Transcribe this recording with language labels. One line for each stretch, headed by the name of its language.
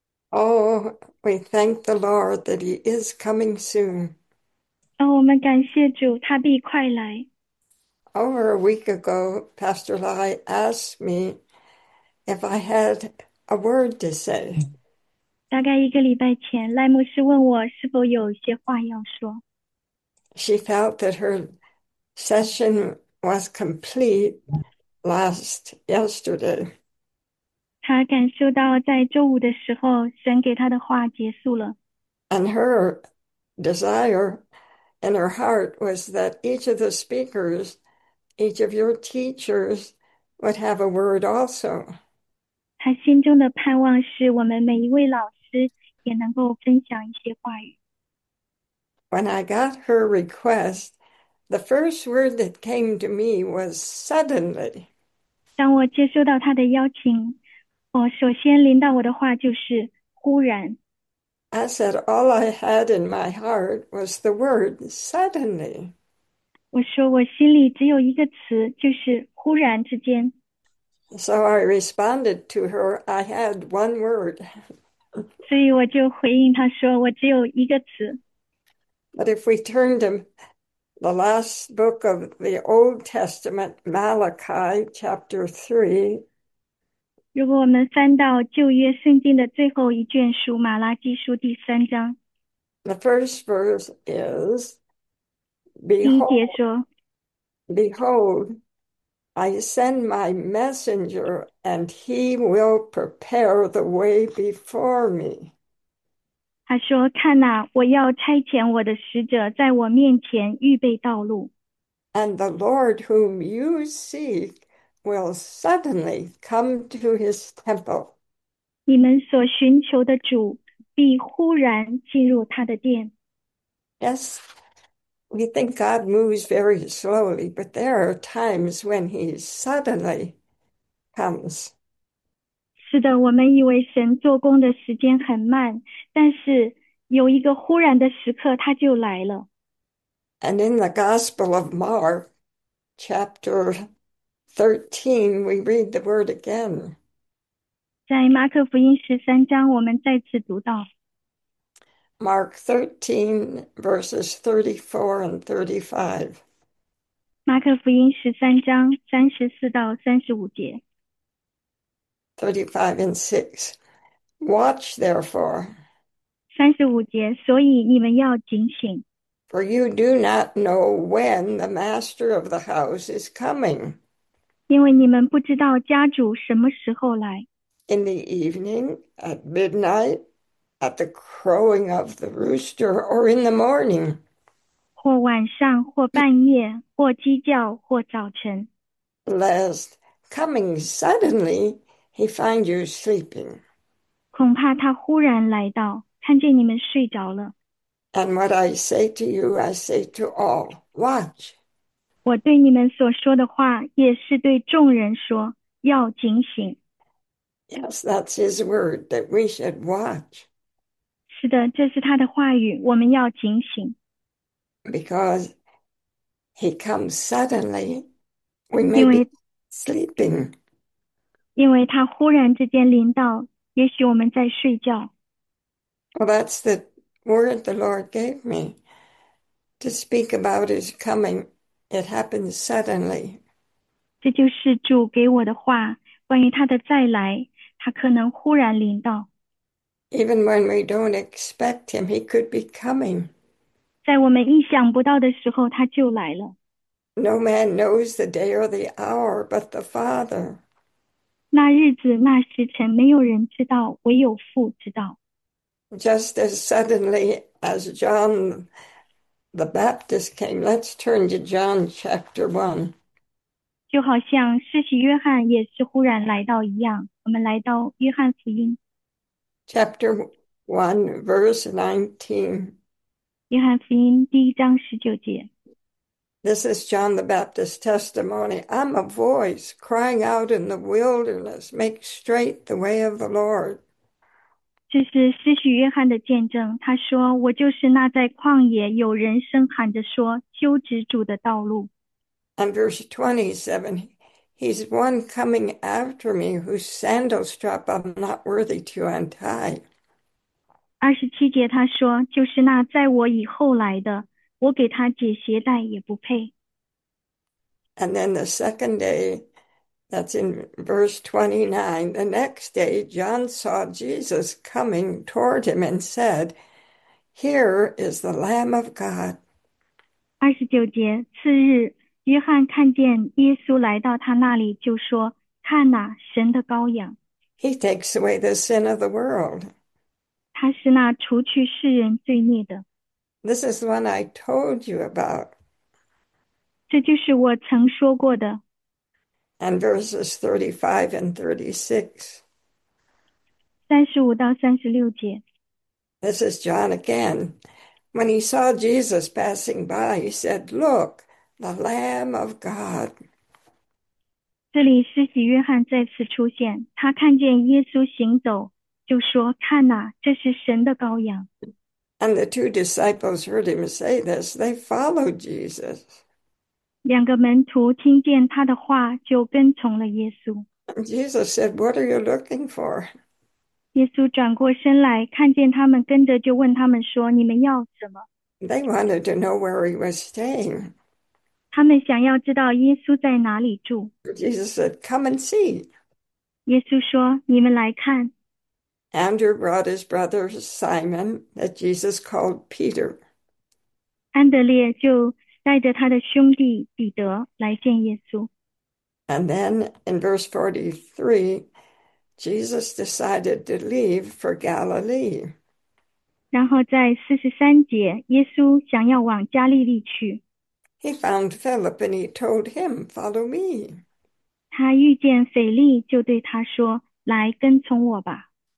English: 哦，we thank the Lord that He is coming soon.
Chinese: 哦，我们感谢主，他必快来。
English: Over a week ago, Pastor Lai asked me if I had a word to say.
Chinese: 大概一个礼拜前，赖牧师问我是否有些话要说。
English: She felt that her session was complete. Yesterday，
Chinese: 他感受到，在周五的时候，神给他的话结束了。
English: and her desire in her heart was that each of the speakers, each of your teachers, would have a word also.
Chinese: 他心中的盼望是我们每一位老师也能够分享一些话语。
English: When I got her request, the first word that came to me was suddenly.
Chinese: 当我接收到他的邀请。我首先临到我的话就是忽然，
English: I said, all I had in my heart was the word suddenly.
Chinese: 我说我心里只有一个词，就是忽然之间。
English: So I responded to her, I had one word.
Chinese: 所以我就回应他说我只有一个词。
English: But if we turn to the last book of the Old Testament, Malachi chapter 3,
Chinese: 如果我们翻到旧约圣经的最后一卷书《马拉基书》第三章，
English: The first verse is,
Chinese: 第一节说
English: Behold, I send my messenger, and he will prepare the way before me.
Chinese: 他说：“看哪，我要差遣我的使者在我面前预备道路。”
English: And the Lord whom you seek will suddenly come to his temple.
Chinese: 你们所寻求的主必忽然进入他的殿。
English: Yes, we think God moves very slowly, but there are times when He suddenly comes.
Chinese: 是的，我们以为神做工的时间很慢，但是有一个忽然的时刻，他就来了。
English: And in the Gospel of Mark, chapter 13, we read the word again.
Chinese: 在马可福音13章，我们再次读到。
English: Mark 13, verses 34 and 35.
Chinese: 马可福音13章34到35节。
English: 35 and 6. Watch therefore,
Chinese: 35节，所以你们要警醒。
English: for you do not know when the master of the house is coming.
Chinese: 因为你们不知道家主什么时候来。
English: In the evening, at midnight, at the crowing of the rooster, or in the morning,
Chinese: 或晚上，或半夜，或鸡叫，或早晨。
English: lest coming suddenly he find you sleeping.
Chinese: 恐怕他忽然来到，看见你们睡着了。
English: And what I say to you, I say to all, watch.
Chinese: 我对你们所说的话，也是对众人说，要警醒。
English: Yes, that's his word that we should watch.
Chinese: 是的，这是他的话语，我们要警醒。
English: Because he comes suddenly, we may
Chinese: 因为，
English: sleeping.
Chinese: 因为他忽然之间临到，也许我们在睡觉。
English: Well, that's the word the Lord gave me to speak about his coming. It happened suddenly.
Chinese: 这就是主给我的话，关于他的再来，他可能忽然临到。
English: Even when we don't expect him, he could be coming.
Chinese: 在我们意想不到的时候，他就来了。
English: No man knows the day or the hour but the Father.
Chinese: 那日子、那时辰，没有人知道，唯有父知道。
English: Just as suddenly as John the Baptist came, let's turn to John chapter 1.
Chinese: 就好像施洗约翰也是忽然来到一样，我们来到约翰福音。
English: Chapter 1, verse 19.
Chinese: 约翰福音第1章19节。
English: This is John the Baptist's testimony. I'm a voice crying out in the wilderness, make straight the way of the Lord.
Chinese: 这是施洗约翰的见证，他说：“我就是那在旷野有人声喊着说，修直主的道路。
English: And verse 27, he's one coming after me whose sandal strap I'm not worthy to untie.
Chinese: ”27节他说：“就是那在我以后来的，我给他解鞋带也不配。”
English: And then the second day, that's in verse 29, the next day, John saw Jesus coming toward him and said, Here is the Lamb of God.
Chinese: 29节，次日，约翰看见耶稣来到他那里，就说：“看哪，神的羔羊。
English: He takes away the sin of the world.
Chinese: ”他是那除去世人罪孽的。
English: This is the one I told you about.
Chinese: 这就是我曾说过的。
English: And verses 35 and 36.
Chinese: 35到36节。
English: This is John again. When he saw Jesus passing by, he said, Look, the Lamb of God.
Chinese: 这里施洗约翰再次出现，他看见耶稣行走，就说：“看哪，这是神的羔羊。
English: And the two disciples heard him say this. They followed Jesus.
Chinese: ”两个门徒听见他的话，就跟从了耶稣。
English: And Jesus said, What are you looking for?
Chinese: 耶稣转过身来，看见他们跟着，就问他们说：“你们要什么
English: They wanted to know where he was staying. ？”
Chinese: 他们想要知道耶稣在哪里住。
English: Jesus said, Come and see.
Chinese: 耶稣说：“你们来看。
English: Andrew brought his brother Simon that Jesus called Peter.
Chinese: ”安德烈就带着他的兄弟彼得来见耶稣。
English: And then in verse 43, Jesus decided to leave for Galilee.
Chinese: 然后在43节，耶稣想要往加利利去。
English: He found Philip and he told him, Follow me.
Chinese: 他遇见腓力，就对他说：“来跟从我吧。